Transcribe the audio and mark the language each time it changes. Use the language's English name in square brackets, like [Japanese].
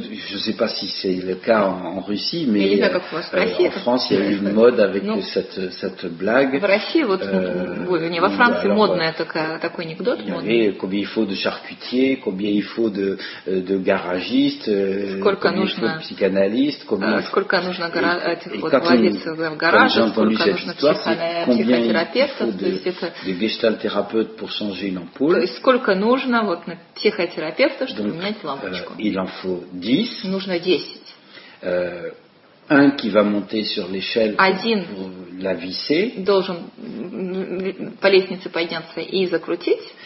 [French] Je ne sais pas si c'est le cas en Russie, mais en France, il y a eu une mode avec cette blague. [Russian] В России вот не во Франции модная такой анекдот. [French] Combien il faut de charcutiers, combien il faut de garagistes, combien il faut de psychanalystes, combien il faut. [Russian] Сколько нужно владельцев гаражей, сколько нужно психотерапевтов, [French] de гештальт-терапевтов pour changer une ampoule. [Russian] Сколько нужно вот на психотерапевта, чтобы менять лампочку. [French] Il en faut 10. [Russian] Нужно 10. [French] Un qui va monter sur l'échelle [Russian] один [French] pour la visser. [Russian] Должен по лестнице подняться и закрутить.